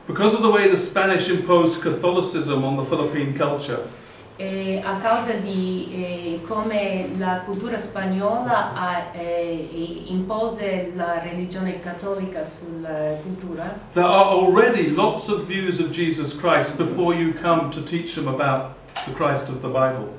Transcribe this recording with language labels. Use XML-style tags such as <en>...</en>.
<en>because of the way the Spanish imposed Catholicism on the Philippine culture,</en> <it>a causa di come la cultura spagnola impose la religione cattolica sulla cultura.</it> <en>There are already lots of views of Jesus Christ before you come to teach them about the Christ of the Bible.</en>